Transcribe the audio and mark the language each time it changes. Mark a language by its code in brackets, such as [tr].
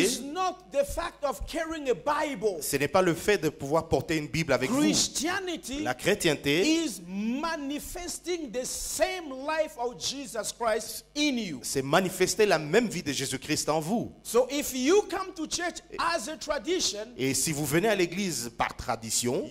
[en] is not the fact of carrying a Bible. [fr] Ce n'est pas le fait de pouvoir porter une Bible avec [en] Christianity [fr] vous. La chrétienté [en] is manifesting the same life of Jesus Christ in you. [fr] C'est manifester la même vie de Jésus-Christ en vous. [en] So if you come to church as a tradition, [fr] et si vous venez à l'église par tradition,